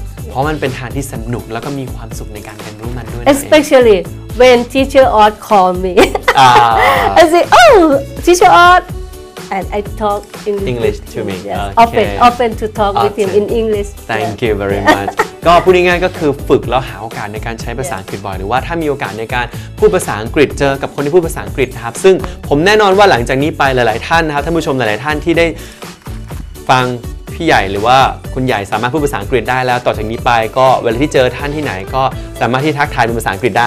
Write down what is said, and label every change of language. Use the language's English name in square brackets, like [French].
[Thai] เพราะมันเป็นทางที่สนุกแล้วก็มีความสุขในการเรียนรู้มันด้วย [English] Especially when teacher Art call me. I say, oh, teacher Art, and I talk English to me. Often to talk with him in English. Thank you very much. [Thai] ก็พูดง่ายๆก็คือฝึกแล้วหาโอกาสในการใช้ภาษาอังกฤษบ่อยหรือว่าถ้ามีโอกาสในการพูดภาษาอังกฤษเจอกับคนที่พูดภาษาอังกฤษนะครับซึ่งผมแน่นอนว่าหลังจากนี้ไปหลายๆท่านนะครับท่านผู้ชมหลายๆท่านที่ได้ฟังพี่ใหญ่หรือว่าคุณใหญ่สามารถพูดภาษาอังกฤษได้แล้วต่อจากนี้ไปก็เวลาที่เจอท่านที่ไหนก็สามารถที่ทักทายเป็นภาษาอังกฤษได